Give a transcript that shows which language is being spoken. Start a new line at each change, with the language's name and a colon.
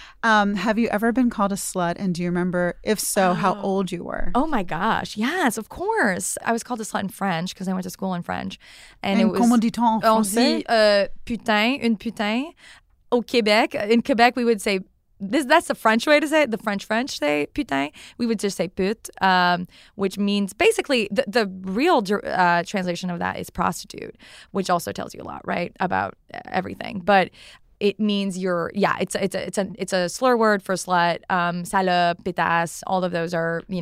English: Have you ever been called a slut? And do you remember, if so, how old you were? Oh, my gosh. Yes, of course. I was called a slut in French because I went to school in French.
French: And it was, comment dit-on en français? On dit putain, une putain. Au Québec,
English: in Quebec, we would say, that's the French way to say it. The French say putain. We would just say pute, which means basically the real translation of that is prostitute, which also tells you a lot, right, about everything. But it means it's a slur word for slut, salope, pétasse, all of those are, you know.